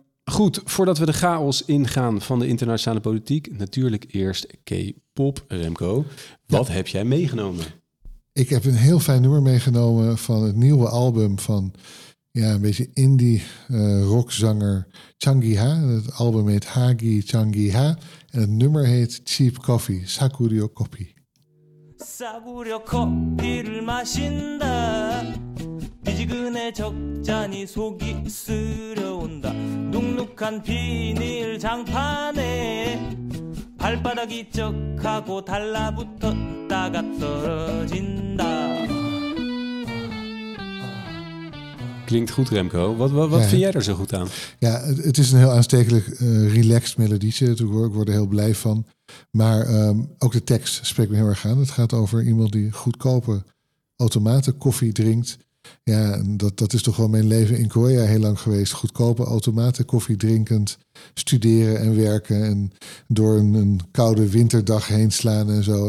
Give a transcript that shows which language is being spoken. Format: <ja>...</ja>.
<nl>Goed, voordat we de chaos ingaan van de internationale politiek, natuurlijk eerst K-pop, Remco. Wat heb jij meegenomen? Ik heb een heel fijn nummer meegenomen van het nieuwe album van een beetje indie-rockzanger Changi Ha. Het album heet Hagi Changi Ha. En het nummer heet Cheap Coffee, Sakuryo Coffee.</nl> <ko>싸구려 커피를 마신다 비지근에 적잖이 속이 쓰려온다 눅눅한 비닐 장판에 발바닥이 쩍하고 달라붙었다가 떨어진다.</ko> <nl>Klinkt goed, Remco. Wat vind jij er zo goed aan? Ja, het is een heel aanstekelijk relaxed melodietje. Ik word er heel blij van. Maar ook de tekst spreekt me heel erg aan. Het gaat over iemand die goedkope automaten koffie drinkt. Ja, dat is toch wel mijn leven in Korea heel lang geweest. Goedkope automaten koffie drinkend, studeren en werken en door een koude winterdag heen slaan en zo.</nl>